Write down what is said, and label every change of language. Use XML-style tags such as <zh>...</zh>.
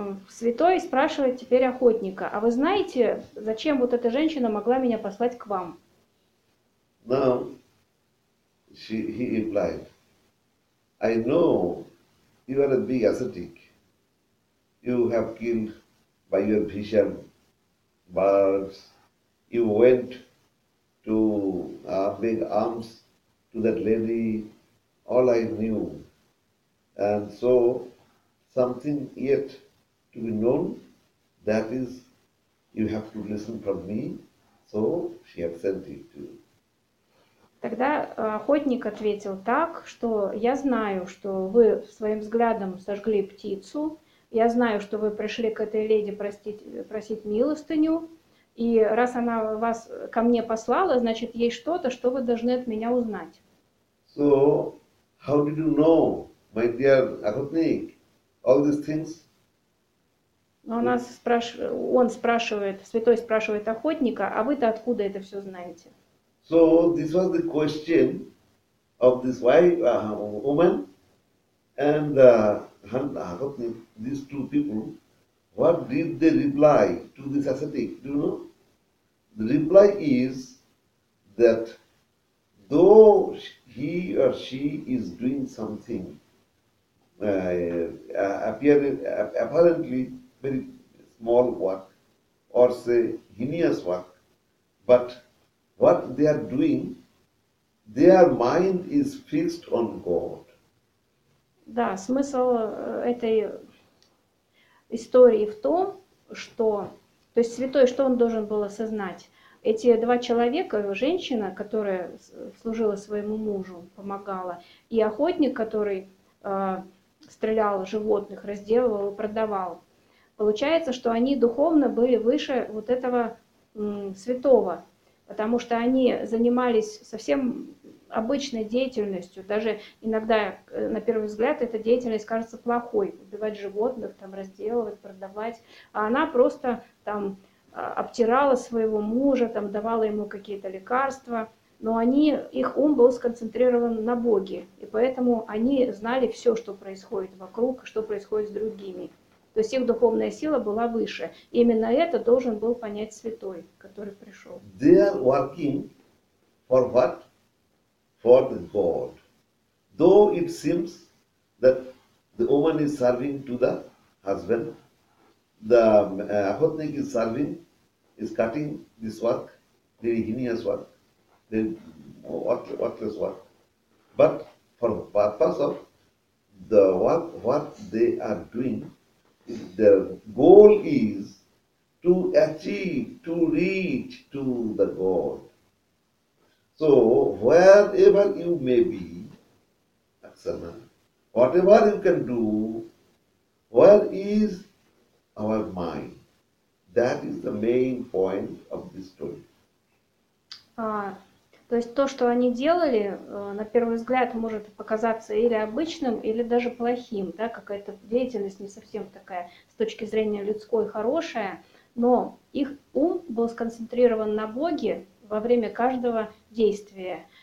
<ru>Святой спрашивает теперь охотника, а вы знаете, зачем вот эта женщина могла меня послать к вам?</ru> <en>Now, he replied, I know you are a big ascetic. You have killed by your vision birds. You went to make arms to that lady. All I knew. And so, something yet to be known, that is, you have to listen from me, so she had sent it to you.</en> <ru>Тогда охотник ответил так, что я знаю, что вы своим взглядом сожгли птицу, я знаю, что вы пришли к этой леди просить милостыню, и раз она вас ко мне послала, значит, есть что-то, что вы должны от меня узнать.</ru> <en>So, how did you know, my dear охотник, all these things?</en> <ru>Он спрашивает, святой спрашивает охотника, а вы-то откуда это все знаете?</ru> <en>So this was the question of this wife, woman, and охотник, these two people, what did they reply to this ascetic, do you know? The reply is that though he or she is doing something apparently very small work, or say heinous work, but what they are doing, their mind is fixed on God.</en> <ru>Да, смысл этой истории в том, что, то есть святой, что он должен был осознать? Эти два человека, женщина, которая служила своему мужу, помогала, и охотник, который стрелял животных, разделывал и продавал. Получается, что они духовно были выше вот этого святого, потому что они занимались совсем обычной деятельностью. Даже иногда, на первый взгляд, эта деятельность кажется плохой. Убивать животных, там, разделывать, продавать. А она просто там обтирала своего мужа, там, давала ему какие-то лекарства. Но они, их ум был сконцентрирован на Боге. И поэтому они знали все, что происходит вокруг, что происходит с другими. То есть их духовная сила была выше. И именно это должен был понять святой, который пришел.</ru> <en>They are working for what? For the God. Though it seems that the woman is serving to the husband, the охотник is serving, is cutting this work, very heinous work, very worthless work. But for the purpose of the work, what they are doing, their goal is to achieve, to reach to the God. So, wherever you may be, Aksana, whatever you can do, where is our mind? That is the main point of this story.</en> <ru>То есть то, что они делали, на первый взгляд, может показаться или обычным, или даже плохим. Да? Какая-то деятельность не совсем такая, с точки зрения людской, хорошая. Но их ум был сконцентрирован на Боге во время каждого действия.</ru>